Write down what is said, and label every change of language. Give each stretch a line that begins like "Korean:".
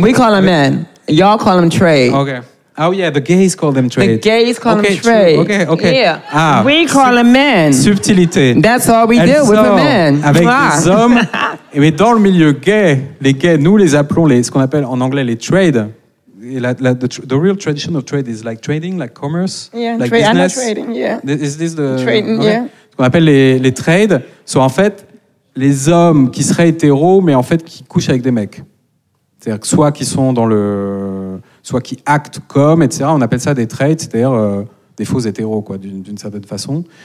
English: We call them men. Y'all call them trade. Okay. Oh, yeah, the gays call them trade. The gays call them trade. Okay. Yeah. We call them men.
French: Subtilité.
English: That's all we deal with, the men.
French: Avec des hommes. Mais dans le milieu gay, les gays, nous les appelons ce qu'on appelle en anglais les trades.
English: The real tradition of trade is like trading, like commerce. Yeah, like trade, business. I'm not trading, yeah. Is this the... Trading, okay. Yeah.
French: Ce qu'on appelle les trades sont en fait les hommes qui seraient hétéros, mais en fait qui couchent avec des mecs. C'est-à-dire que soit qui sont dans le... Soit qui actent comme, etc. On appelle ça des trades, c'est-à-dire des faux hétéros, quoi, d'une certaine façon.